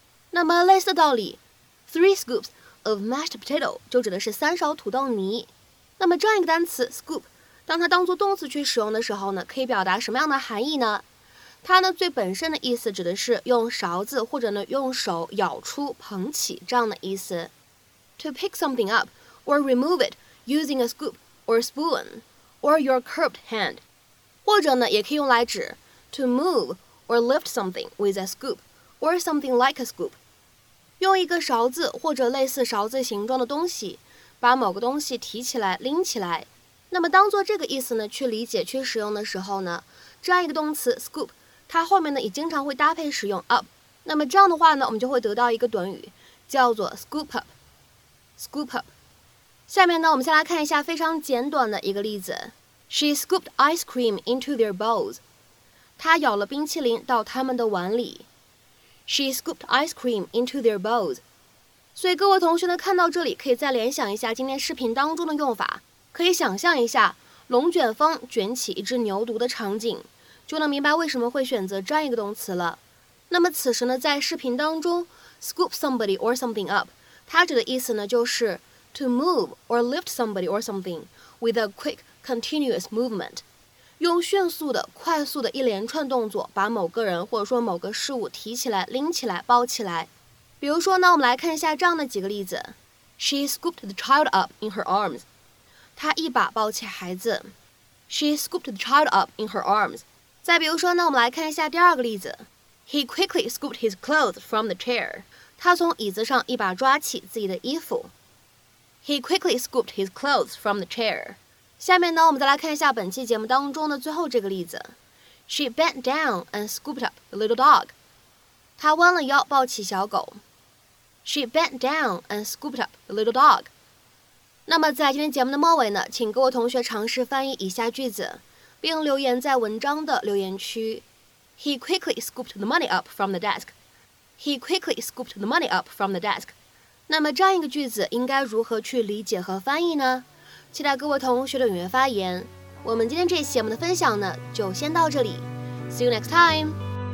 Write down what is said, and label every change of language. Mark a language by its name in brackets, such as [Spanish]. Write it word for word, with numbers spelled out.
[Chinese] 那么类似的道理 [English] three scoops of mashed potato [Chinese] 就指的是三勺土豆泥。那么这样一个单词 scoop当它当作动词去使用的时候呢，可以表达什么样的含义呢？它呢最本身的意思指的是用勺子或者呢用手舀出捧起这样的意思。 [English] To pick something up or remove it using a scoop or spoon or your cupped hand， [Chinese] 或者呢也可以用来指 [English] to move or lift something with a scoop or something like a scoop， [Chinese] 用一个勺子或者类似勺子形状的东西把某个东西提起来拎起来。那么当做这个意思呢去理解去使用的时候呢，这样一个动词 scoop 它后面呢也经常会搭配使用 up， 那么这样的话呢我们就会得到一个短语叫做 scoop up scoop up。下面呢，我们先来看一下非常简短的一个例子。 [English] She scooped ice cream into their bowls. [Chinese] 她舀了冰淇淋到他们的碗里。 [English] She scooped ice cream into their bowls. [Chinese] 所以各位同学呢，看到这里可以再联想一下今天视频当中的用法，可以想象一下龙卷风卷起一只牛犊的场景，就能明白为什么会选择这样一个动词了。那么此时呢，在视频当中 [English] scoop somebody or something up [Chinese] 它指的意思呢，就是 [English] to move or lift somebody or something with a quick continuous movement [Chinese] 用迅速的快速的一连串动作把某个人或者说某个事物提起来拎起来抱起来。比如说呢，我们来看一下这样的几个例子。 [English] She scooped the child up in her arms [Chinese] 她一把抱起孩子。 [English] She scooped the child up in her arms [Chinese] 再比如说呢，我们来看一下第二个例子。 [English] He quickly scooped his clothes from the chair. [Chinese] 他从椅子上一把抓起自己的衣服。 [English] He quickly scooped his clothes from the chair. [Chinese] 下面呢，我们再来看一下本期节目当中的最后这个例子。 [English] She bent down and scooped up the little dog. [Chinese] 她弯了腰抱起小狗。 [English] She bent down and scooped up the little dog. [Chinese] 那么在今天节目的末尾呢，请各位同学尝试翻译以下句子，并留言在文章的留言区。 [English] He quickly scooped the money up from the desk. He quickly scooped the money up from the desk. [Chinese] 那么这样一个句子应该如何去理解和翻译呢？期待各位同学的踊跃发言。我们今天这期节目的分享呢，就先到这里。 [English] See you next time.